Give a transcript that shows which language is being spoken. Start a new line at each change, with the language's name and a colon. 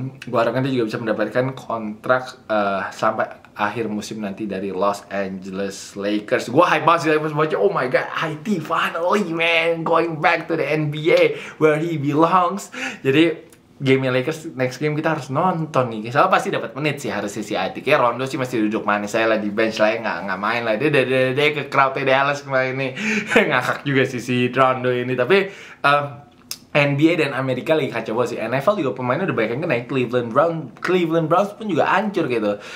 Indonesian: Gua harapkan dia juga bisa mendapatkan kontrak sampai akhir musim nanti dari Los Angeles Lakers. Gua hype banget sih Lakers baca,
English: oh my god, IT finally man going back to the NBA where he belongs.
Indonesian: Jadi game Lakers
English: next game
Indonesian: kita harus nonton nih. Soalnya pasti dapat menit sih harusnya si IT. Kayak Rondo sih masih duduk manis aja lah di bench lah, enggak main lah. Dia dede ke crowd Dallas kemarin ini. Ngakak juga sih si Rondo ini, tapi NBA dan Amerika lagi kacau sih. NFL juga pemainnya udah banyak yang kena. Cleveland Browns pun juga hancur gitu.